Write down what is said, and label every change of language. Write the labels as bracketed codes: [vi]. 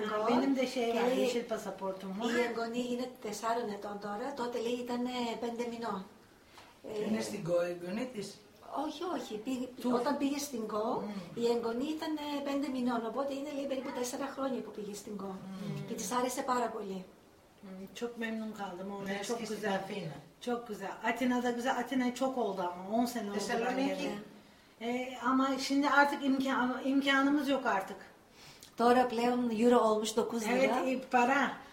[tr] Benim de şey var, yeşil pasaportum var. [el] Η εγγονή είναι 4 ετών τώρα, τότε λέει ήταν 5 μηνών. Είναι στην ΚΟ η εγγονή της? Όχι, όχι. Όταν πήγε στην ΚΟ, η εγγονή ήταν 5 μηνών. Οπότε είναι λέει περίπου 4 χρόνια που πήγε στην ΚΟ. Και της άρεσε πάρα πολύ. [tr] Çok memnun kaldım orada. Merci çok güzel Afina. Çok güzel. Atina'da güzel. Atina çok oldu ama 10 sene oldu. Selamünaleyküm. Ama şimdi artık imkanımız yok artık. Doğru [el] pleon [tr] euro olmuş 9 lira. Evet, para.